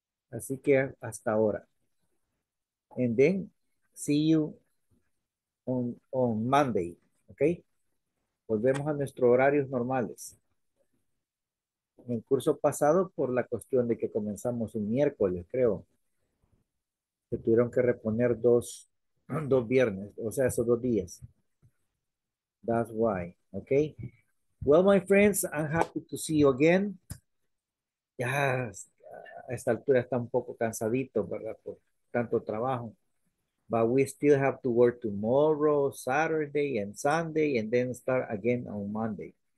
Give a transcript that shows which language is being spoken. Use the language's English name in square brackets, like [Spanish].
[Spanish] Así que hasta ahora. [English] And then see you on Monday. Okay. [Spanish] Volvemos a nuestros horarios normales. En el curso pasado, por la cuestión de que comenzamos un miércoles, creo. Se tuvieron que reponer dos viernes, o sea, esos 2 días. [English] That's why. Okay. Well, my friends, I'm happy to see you again. [Spanish] Yes, a esta altura está un poco cansadito, ¿verdad? Por tanto trabajo. [English] But we still have to work tomorrow, Saturday and Sunday, and then start again on Monday.